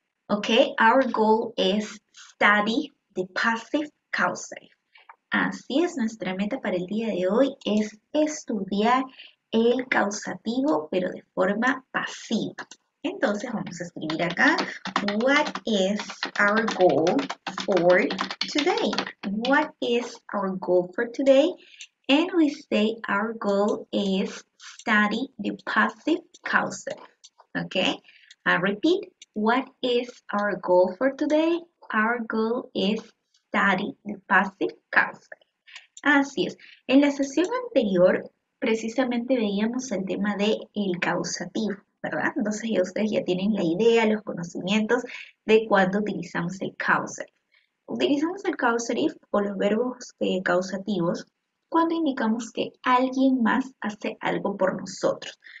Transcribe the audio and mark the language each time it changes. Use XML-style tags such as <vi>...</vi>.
<en>Okay, our goal is study the passive causative.</en> <es>Así es, nuestra meta para el día de hoy es estudiar el causativo, pero de forma pasiva. Entonces, vamos a escribir acá,</es> <en>what is our goal for today? What is our goal for today? And we say our goal is study the passive causative. Okay, I repeat, what is our goal for today? Our goal is study the passive causative.</en> <es>Así es. En la sesión anterior, precisamente veíamos el tema de el causativo, ¿verdad? Entonces ya ustedes ya tienen la idea, los conocimientos de cuándo utilizamos el causative. Utilizamos el causative o los verbos causativos cuando indicamos que alguien más hace algo por nosotros.</es>